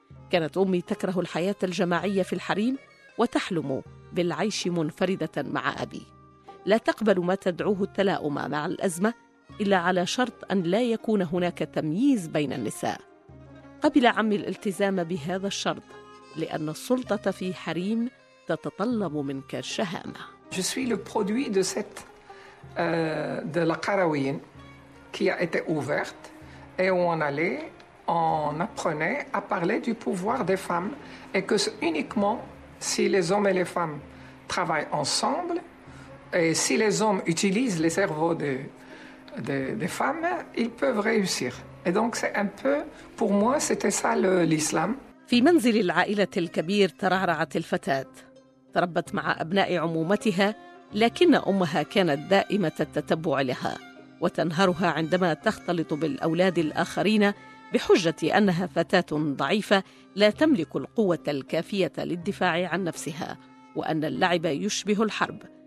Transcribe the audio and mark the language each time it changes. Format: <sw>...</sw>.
<ar>كانت أمي تكره الحياة الجماعية في الحريم وتحلم بالعيش منفردة مع أبي، لا تقبل ما تدعوه التلاؤم مع الأزمة إلا على شرط أن لا يكون هناك تمييز بين النساء. قبل عمي الالتزام بهذا الشرط لأن السلطة في حريم تتطلب منك الشهامة.</ar> <fr>Je suis le produit de cette de la caraouine qui a été ouverte et où on allait, on apprenait à parler du pouvoir des femmes et que c'est uniquement si les hommes et les femmes travaillent ensemble et si les hommes utilisent les cerveaux des femmes, ils peuvent réussir. Et donc c'est un peu, pour moi, c'était ça l'islam.</fr> <ar>في منزل العائلة الكبير ترعرعت الفتاة. تربت مع أبناء عمومتها، لكن أمها كانت دائمة التتبع لها وتنهرها عندما تختلط بالأولاد الآخرين بحجة أنها فتاة ضعيفة لا تملك القوة الكافية للدفاع عن نفسها وأن اللعب يشبه الحرب.</ar>